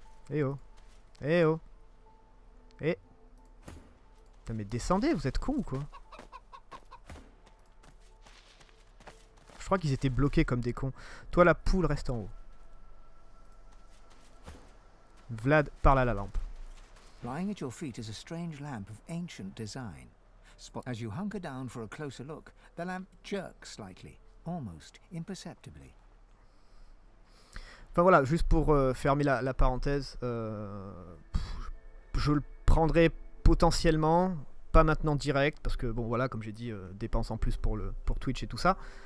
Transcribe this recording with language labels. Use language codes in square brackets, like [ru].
[fr] Eh oh. Eh oh. Eh. Putain, mais descendez, vous êtes cons ou quoi? Je crois qu'ils étaient bloqués comme des cons. Toi, la poule, reste en haut. Vlad, parle à la lampe. [en] Lying at your feet is a strange lamp of ancient design. As you hunker down for a closer look, the lamp jerks slightly, almost imperceptibly. [fr] Enfin voilà, juste pour fermer la parenthèse, je le prendrai potentiellement, pas maintenant direct, parce que bon voilà, comme j'ai dit, dépense en plus pour Twitch et tout ça.